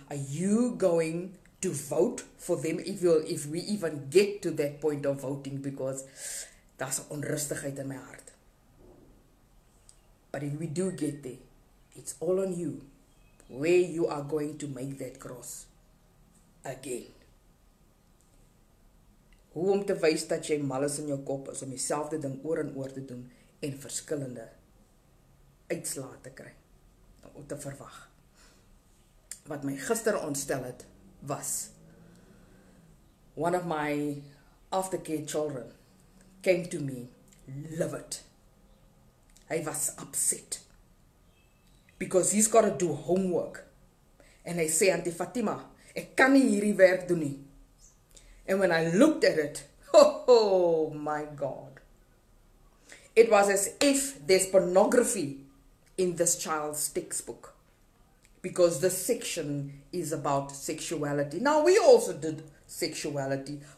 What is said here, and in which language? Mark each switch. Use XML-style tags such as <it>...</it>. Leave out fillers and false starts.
<en>Are you going to vote for them if we even get to that point of voting? Because that's onrustigheid in my heart. But if we do get there, it's all on you. Where you are going to make that cross again.</en> <af>Hoe om te wys dat jy mal is in jou kop is om dieselfde ding oor en oor te doen en verskillende uitslae te kry. Om te verwag.</af> <en>Wat my gister ontstel het, was one of my aftercare children came to me, livid.</en> <af>Hy was upset.</af> <en>Because he's got to do homework.</en> <af>And hy sê, Auntie Fatima, ek kan nie hierdie werk doen nie.</af> <en>And when I looked at it, oh my God. It was as if there's pornography in this child's textbook. Because the section is about sexuality. Now, we also did sexuality.</en>